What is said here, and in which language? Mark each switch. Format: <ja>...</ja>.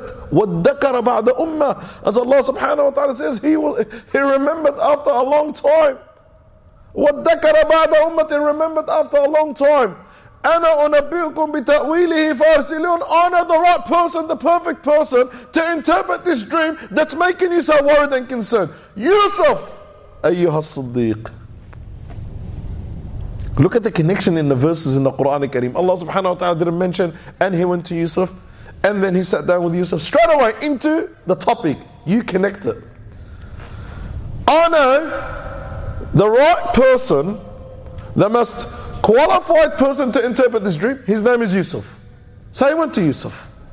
<en>As Allah subhanahu wa ta'ala says, he remembered after a long time.</en> <ar>وَدَّكَرَ بَعْدَ أُمَّةِ.</ar> <en>Remembered after a long time.</en> <ar>أَنَا أُنَبِّئُكُمْ بِتَأْوِيلِهِ فَأَرْسِلُونَ.</ar> <en>I know the right person, the perfect person, to interpret this dream that's making you so worried and concerned.</en> <ar>Yusuf, أَيُّهَا الصِّدِّيقِ.</ar> <en>Look at the connection in the verses in the Quran Kareem. Allah subhanahu wa ta'ala didn't mention, and he went to Yusuf, and then he sat down with Yusuf straight away into the topic. You connect it. I know the right person, the most qualified person to interpret this dream. His name is Yusuf. So he went to Yusuf.</en>